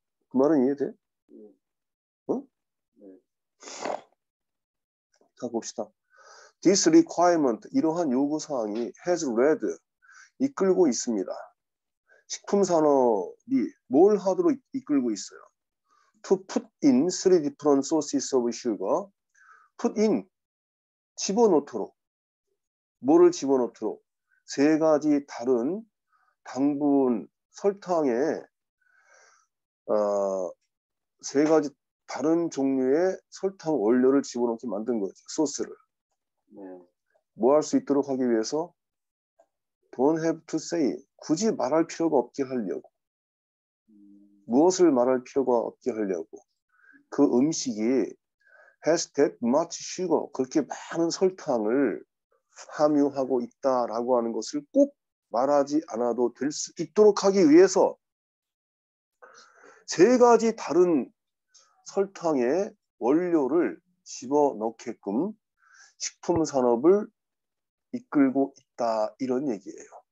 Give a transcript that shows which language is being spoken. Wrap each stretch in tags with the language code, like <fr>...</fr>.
<ko>그 말은 이해돼? 자, 봅시다.</ko> <en>This requirement,</en> <ko>이러한 요구사항이</ko> <en>has led,</en> <ko>이끌고 있습니다. 식품산업이 뭘 하도록 이끌고 있어요?</ko> <en>To put in three different sources of sugar. Put in,</en> <ko>집어넣도록. 뭐를 집어넣도록? 세 가지 다른 당분, 설탕에 세 가지 다른 종류의 설탕 원료를 집어넣게 만든 거죠. 소스를. 뭐 할 수 있도록 하기 위해서?</ko> <en>Don't have to say.</en> <ko>굳이 말할 필요가 없게 하려고. 무엇을 말할 필요가 없게 하려고. 그 음식이</ko> <en>has that much sugar.</en> <ko>그렇게 많은 설탕을 함유하고 있다라고 하는 것을 꼭 말하지 않아도 될 수 있도록 하기 위해서 세 가지 다른 설탕의 원료를 집어넣게끔 식품산업을 이끌고 있다 이런 얘기예요.</ko>